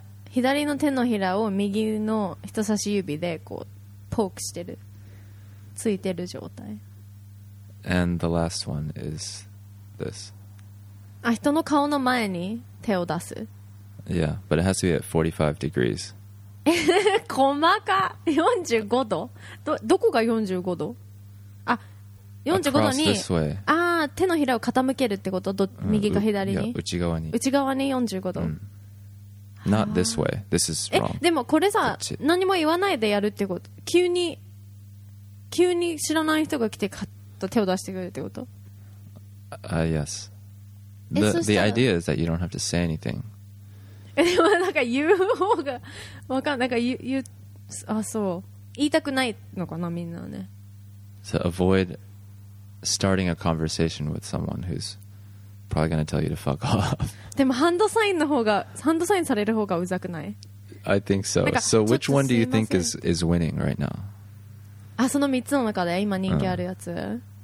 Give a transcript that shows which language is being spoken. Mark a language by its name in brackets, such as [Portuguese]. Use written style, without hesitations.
[Japanese] 左の手のひらを右の人差し指でこうポークしてる、ついてる状態。 [English] And the last one is this. [Japanese] あ、人の顔の前に手を出す。 [English] Yeah, but it has to be at 45 degrees. [Japanese] 細か45度。どこが45度？あ、45度に。 [English] Across this way. [Japanese] あ、手のひらを傾けるってこと？右か左に。内側に。内側に45度。 [English] Not this way. This is wrong. [Japanese] え、でもこれさ、何も言わないでやるってこと？急に知らない人が来てカッと手を出してくるってこと？ [English] Yes. the idea is that you don't have to say anything. [Japanese] でもなんか言う方がわかんなんか言うあそう言いたくないのかなみんなね。 [English] So avoid starting a conversation with someone who's probably gonna tell you to fuck off. [Japanese] でもハンドサインの方がハンドサインされる方がうざくない。 [English] I think so. So which one do you think is winning right now? [Japanese] あその3つの中で今人気あるやつ。